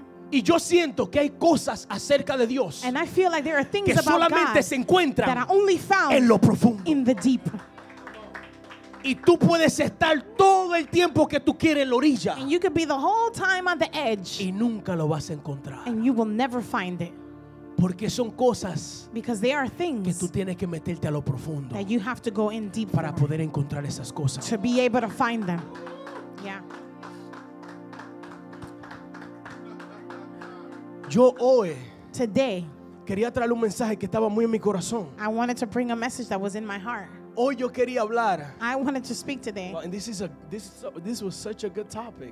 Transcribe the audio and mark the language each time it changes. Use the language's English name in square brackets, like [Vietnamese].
[Spanish] Y yo siento que hay cosas acerca de Dios. [English] And I feel like there are things about God. [Spanish] Que solamente se encuentran. [English] That are only found. [Spanish] En lo profundo. [English] In the deep. [Spanish] Y tú puedes estar todo el tiempo que tú quieres en la orilla. [English] And you could be the whole time on the edge. [Spanish] Y nunca lo vas a encontrar. [English] And you will never find it. [Spanish] Porque son cosas. [English] Because they are things. [Spanish] Que tú tienes que meterte a lo profundo. [English] That you have to go in deep. [Spanish] Para poder encontrar esas cosas. [English] To be able to find them. Yeah. [Spanish] Yo hoy. [English] Today. [Spanish] Quería traer un mensaje que estaba muy en mi corazón. [English] I wanted to bring a message that was in my heart. [Spanish] Hoy yo quería hablar. [English] I wanted to speak today. Well, and this was such a good topic.